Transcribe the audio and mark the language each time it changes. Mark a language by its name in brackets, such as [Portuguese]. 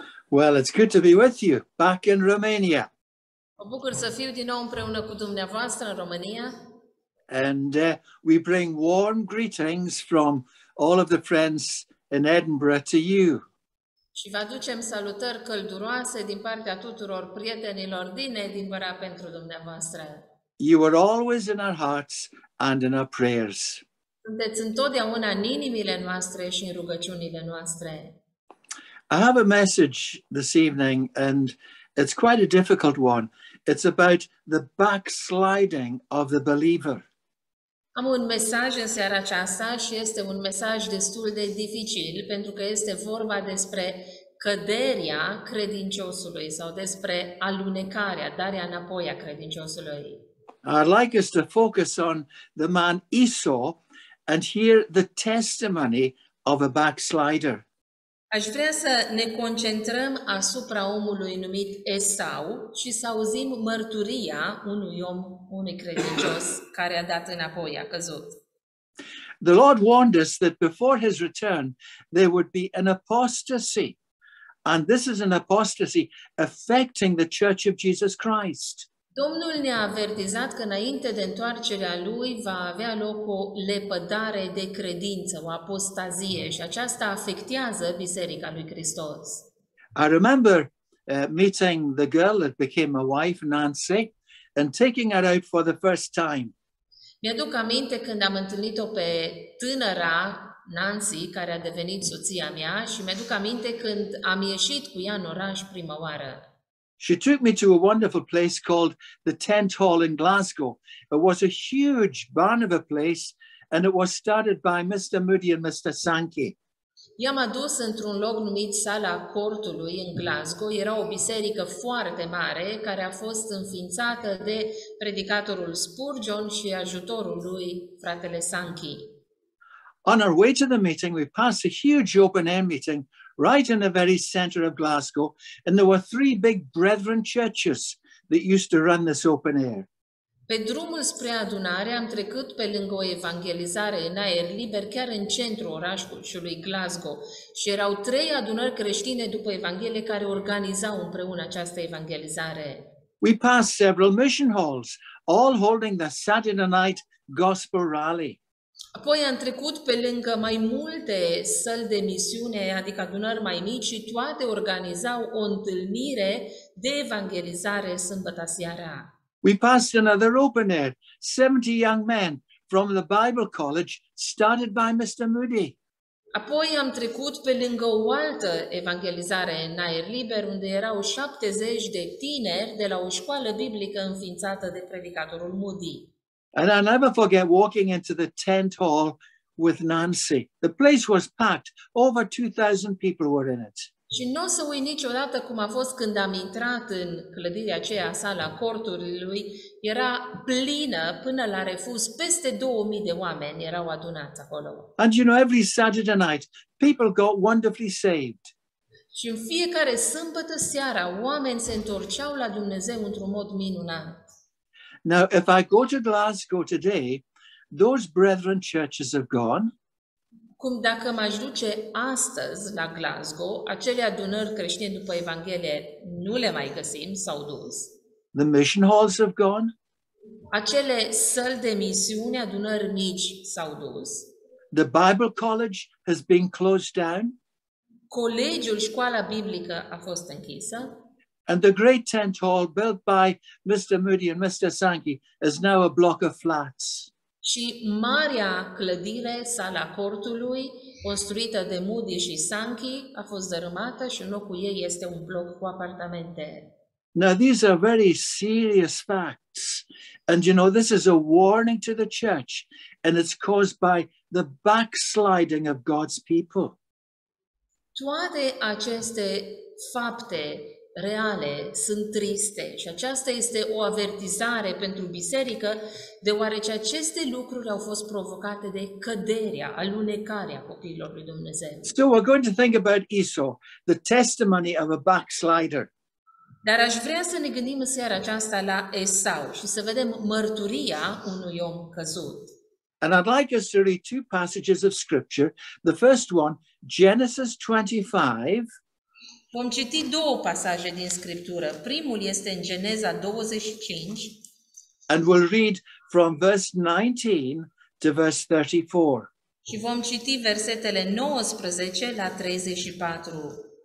[English] Well, it's good to be with you back in Romania. [Romanian] Mă bucur să fiu din nou împreună cu dumneavoastră în România. [English] And we bring warm greetings from all of the friends in Edinburgh to you. [Romanian] Și vă aducem salutări călduroase din partea tuturor prietenilor din Edinburgh pentru dumneavoastră. [English] You are always in our hearts and in our prayers. [Romanian] Sunteți întotdeauna în inimile noastre și în rugăciunile noastre. [English] I have a message this evening and it's quite a difficult one. It's about the backsliding of the believer. [Romanian] Am un mesaj în seara aceasta și este un mesaj destul de dificil pentru că este vorba despre căderea credinciosului sau despre alunecarea, darea înapoi a credinciosului. [English] I'd like us to focus on the man Esau and hear the testimony of a backslider. [Romanian] Aș vrea să ne concentrăm asupra omului numit Esau și să auzim mărturia unui om, unui credincios care a dat înapoi, a căzut. [English] The Lord warned us that before his return there would be an apostasy, and this is an apostasy affecting the Church of Jesus Christ. [Romanian] Domnul ne-a avertizat că înainte de întoarcerea lui va avea loc o lepădare de credință, o apostazie, și aceasta afectează Biserica lui Hristos. [English] I remember meeting the girl that became my wife, Nancy, and taking her out for the first time. [Romanian] Mi-aduc aminte când am întâlnit-o pe tânăra Nancy, care a devenit soția mea, și mi-aduc aminte când am ieșit cu ea în oraș prima oară. [English] She took me to a wonderful place called the Tent Hall in Glasgow. It was a huge barn of a place and it was started by Mr. Moody and Mr. Sankey. [Romanian] Ea m-a dus într-un loc numit Sala Cortului în Glasgow. Era o biserică foarte mare care a fost înființată de predicatorul Spurgeon și ajutorul lui, fratele Sankey. [English] On our way to the meeting, we passed a huge open air meeting right in the very center of Glasgow, and there were three big brethren churches that used to run this open air. [Romanian] Pe drumul spre adunare am trecut pe lângă o evangelizare în aer liber chiar în centrul orașului Glasgow și erau trei adunări creștine după Evanghelie care organizau împreună această evangelizare. [English] We passed several mission halls, all holding the Saturday night gospel rally. [Romanian] Apoi am trecut pe lângă mai multe săli de misiune, adică adunări mai mici, și toate organizau o întâlnire de evangelizare sâmbătă seara. [English] We passed another open air, 70 young men from the Bible College, started by Mr. Moody. [Romanian] Apoi am trecut pe lângă o altă evangelizare în aer liber, unde erau 70 de tineri de la o școală biblică înființată de predicatorul Moody. [English] And I'll never forget walking into the tent hall with Nancy. The place was packed. Over 2,000 people were in it. [Romanian] Și n-o să uit niciodată cum a fost când am intrat în clădirea aceea, sala corturilor. Era plină până la refuz. Peste 2,000 de oameni erau adunați acolo. [English] And you know, every Saturday night, people got wonderfully saved. [Romanian] Și în fiecare sâmbătă seara, oameni se întorceau la Dumnezeu într-un mod minunat. [English] Now, if I go to Glasgow today, those brethren churches have gone. [Romanian] Cum dacă m-aș duce astăzi la Glasgow, acele adunări creștine după Evanghelie nu le mai găsim, s-au dus. [English] The mission halls have gone. [Romanian] Acele săli de misiune, adunări mici, s-au dus. [English] The Bible College has been closed down. [Romanian] Colegiul, școala biblică a fost închisă. [English] And the great tent hall built by Mr. Moody and Mr. Sankey is now a block of flats. [Romanian] Și marea clădire, sala cortului, construită de Moody și Sankey, a fost dărâmată și în locul ei este un bloc cu apartamente. [English] Now these are very serious facts. And you know, this is a warning to the church and it's caused by the backsliding of God's people. [Romanian] Toate aceste fapte reale sunt triste și aceasta este o avertizare pentru biserică, deoarece aceste lucruri au fost provocate de căderea, alunecarea copiilor lui Dumnezeu. [English] So we're going to think about Esau, the testimony of a backslider. [Romanian] Dar aș vrea să ne gândim în seara aceasta la Esau și să vedem mărturia unui om căzut. [English] And I'd like us to read two passages of scripture. The first one, Genesis 25. [Romanian] Vom citi două pasaje din scriptură. Primul este în Geneza 25. [English] And we'll read from verse 19 to verse 34. [Romanian] Și vom citi versetele 19 la 34.